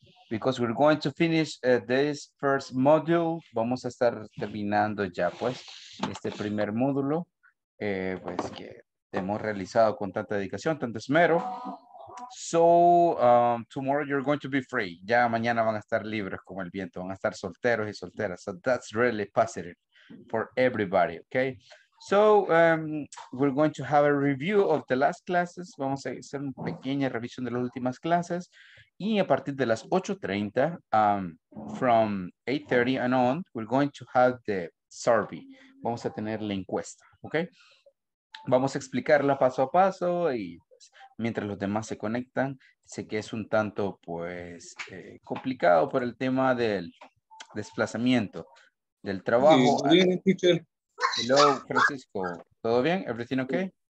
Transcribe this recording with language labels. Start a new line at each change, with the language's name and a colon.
English: Because we're going to finish this first module.
Spanish: Vamos a estar terminando ya, pues, este primer módulo, pues, que hemos realizado con tanta dedicación, tanto esmero.
English: So, tomorrow you're going to be free.
Spanish: Ya mañana van a estar libres como el viento, van a estar solteros y solteras.
English: So that's really positive for everybody, okay? So, we're going to have a review of the last classes.
Spanish: Vamos a hacer una pequeña revisión de las últimas clases. Y a partir de las 8:30,
English: from 8:30 and on, we're going to have the survey.
Spanish: Vamos a tener la encuesta, okay? Vamos a explicarla paso a paso y pues, mientras los demás se conectan, sé que es un tanto, pues, complicado por el tema del desplazamiento. Del trabajo. Bien, teacher.
English: Hello, Francisco.
Spanish: ¿Todo bien?
English: ¿Everything okay?